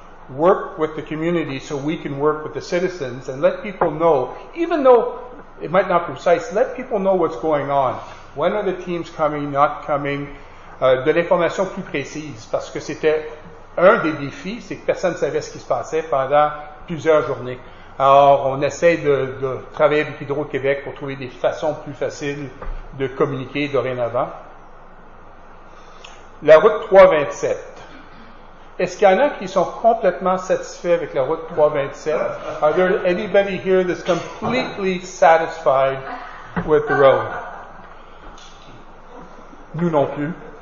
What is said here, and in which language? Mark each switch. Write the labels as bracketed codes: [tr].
[en] Work with the community so we can work with the citizens and let people know, even though it might not be precise, let people know what's going on. When are the teams coming, not coming? [fr] De l'information plus précise, parce que c'était un des défis, c'est que personne ne savait ce qui se passait pendant plusieurs journées. Alors, on essaie de travailler avec Hydro-Québec pour trouver des façons plus faciles de communiquer dorénavant. La route 327. Est-ce qu'il y en a qui sont complètement satisfaits avec la route 327? [en] Are there anybody here that's completely satisfied with the road? [fr] Nous non plus.